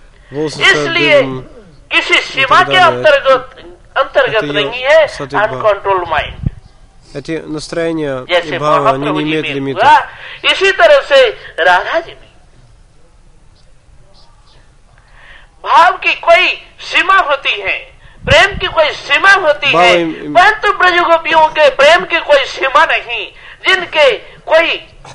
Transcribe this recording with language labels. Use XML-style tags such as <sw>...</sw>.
<hi>इसलिए किसी सीमा के अंतर्गत नहीं है</hi> <en>uncontrolled mind,</en> <ru>эти настроения и бхавы, они не имеют лимита.</ru> <hi>इसी तरह से राधा जी में भाव की कोई सीमा होती है, प्रेम की कोई सीमा होती है, परंतु ब्रज गोपियों के प्रेम की कोई सीमा नहीं, जिनके कोई</hi>